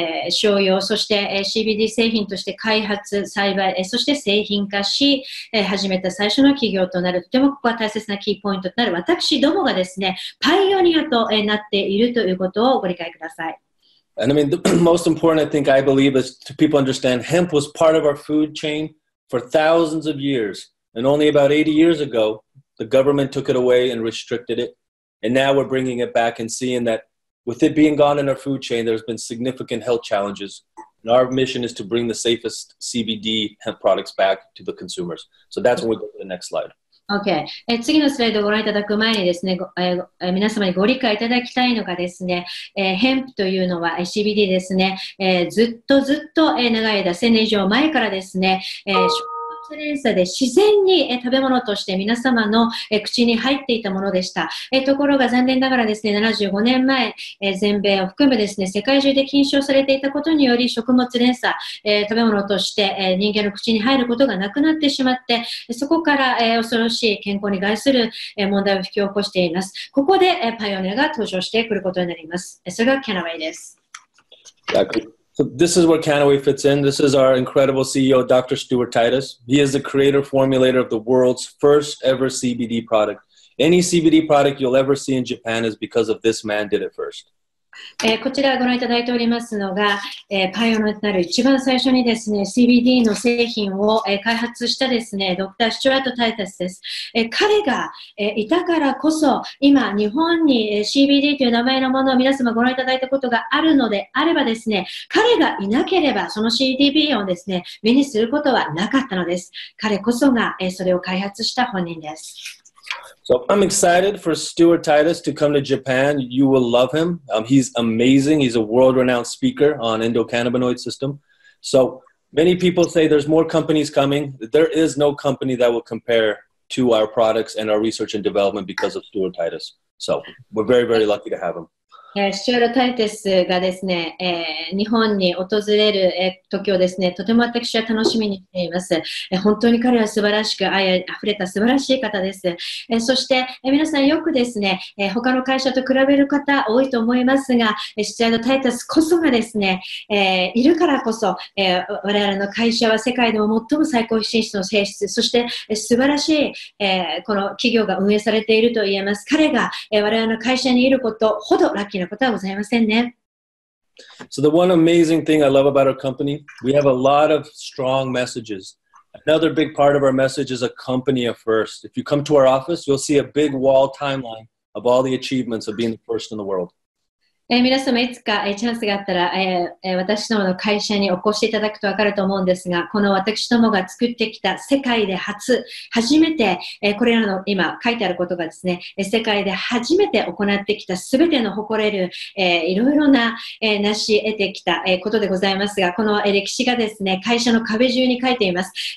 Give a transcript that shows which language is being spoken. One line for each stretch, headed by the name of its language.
Japanese: 商用そして、CBD 製品として開発栽培、そして製品化し、始めた最初の企業となるとてもここは大切なキーポイントとなる私どもがですねパイオニアと、なっているということをご理解ください
English: And I mean, the most important, I think, I believe, is to people understand hemp was part of our food chain for thousands of years. And only about 80 years ago, the government took it away and restricted it. And now we're bringing it back and seeing that with it being gone in our food chain, there's been significant health challenges. And our mission is to bring the safest CBD hemp products back to the consumers. So that's when we go to the next slide. Okay.
Japanese: 次のスライドをご覧いただく前にですね、皆様にご理解いただきたいのがですね、ヘンプというのは CBD ですね、ずっとずっと、長い間、1000年以上前からですね、連鎖で自然に食べ物として皆様の口に入っていたものでした。ところが残念ながらですね、75年前、全米を含むですね、世界中で禁止されていたことにより、食物連鎖、食べ物として人間の口に入ることがなくなってしまって、そこから恐ろしい健康に害する問題を引き起こしています。ここでパイオニアが登場してくることになります。それがキャナウェイです。
English: So this is where Kannaway fits in. This is our incredible CEO, Dr. Stuart Titus. He is the creator, formulator of the world's first ever CBD product. Any CBD product you'll ever see in Japan is because of this man did it first.
Japanese: こちらご覧いただいておりますのが、パイオニアとなる一番最初にですね、CBD の製品を、開発したですね、ドクター・スチュワート・タイタスです。彼が、いたからこそ、今、日本に、CBD という名前のものを皆様ご覧いただいたことがあるのであればですね、彼がいなければ、その CBD をですね、目にすることはなかったのです。彼こそが、それを開発した本人です。
English: So I'm excited for Stuart Titus to come to Japan. You will love him. He's amazing. He's a world-renowned speaker on endocannabinoid system. So many people say there's more companies coming. There is no company that will compare to our products and our research and development because of Stuart Titus. So we're very, very lucky to have him.
Japanese: スチュアルタイテスがですね、日本に訪れる時をですね、とても私は楽しみにしています。本当に彼は素晴らしく愛あふれた素晴らしい方です。そして、皆さんよくですね、他の会社と比べる方多いと思いますが、スチュアルタイテスこそがですね、いるからこそ、我々の会社は世界でも最も最高品質の性質、そして素晴らしい、この企業が運営されていると言えます。彼が、我々の会社にいることほど楽しみに
English: So the one amazing thing I love about our company, we have a lot of strong messages. Another big part of our message is a company of first. If you come to our office, you'll see a big wall timeline of all the achievements of being the first in the world.
Japanese: 皆様いつか、チャンスがあったら、私どもの会社にお越しいただくと分かると思うんですが、この私どもが作ってきた世界で初めて、これらの今書いてあることがですね、世界で初めて行ってきた全ての誇れる、いろいろな、成し得てきた、ことでございますが、この、歴史がですね、会社の壁中に書いています。